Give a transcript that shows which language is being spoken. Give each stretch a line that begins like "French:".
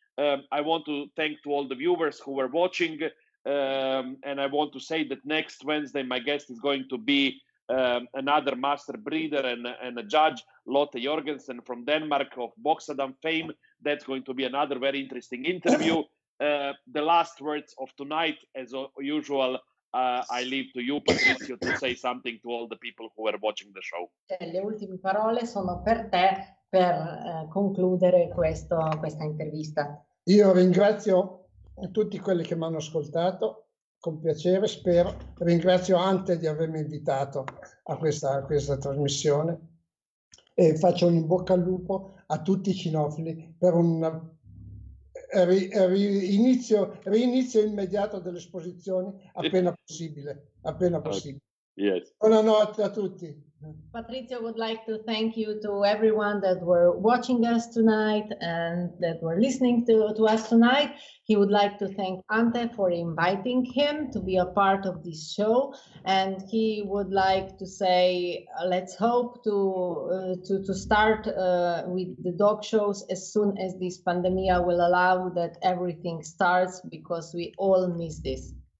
English: I want to thank to all the viewers who were watching. And I want to say that next Wednesday, my guest is going to be another master breeder and a judge, Lotte Jorgensen from Denmark of Boxadam fame. That's going to be another very interesting interview. The last words of tonight, as usual, I leave to you, Patrizio, to say something to all the people who are watching the show.
Italian: Le ultime parole sono per te per concludere questa intervista. Io ringrazio tutti quelli che mi hanno ascoltato, con piacere, spero. Ringrazio Ante di avermi invitato a questa trasmissione e faccio un in bocca al lupo a tutti i cinofili per un reinizio immediato delle esposizioni appena possibile.
English: Yes.
Italian: Buonanotte a tutti.
English: Patrizio would like to thank you to everyone that were watching us tonight and that were listening to us tonight. He would like to thank Ante for inviting him to be a part of this show. And he would like to say, let's hope to start with the dog shows as soon as this pandemia will allow that everything starts, because we all miss this.